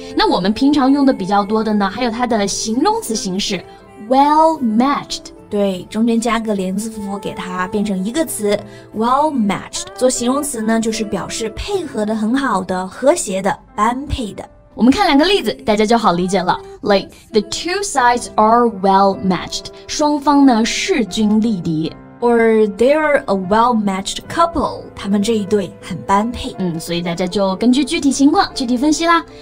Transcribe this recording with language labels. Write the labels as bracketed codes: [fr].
[zh] 那我们平常用的比较多的呢，还有它的形容词形式。 [en] Well matched, [zh] 对，中间加个连字符符给它变成一个词 , [en] well matched, [zh] 做形容词呢就是表示配合的很好的和谐的般配的。我们看两个例子大家就好理解了。 [en] Like, the two sides are well matched, [zh] 双方呢势均力敌。 [en] Or they are a well-matched couple. [zh] 他们这一对很般配。嗯，所以大家就根据具体情况具体分析啦。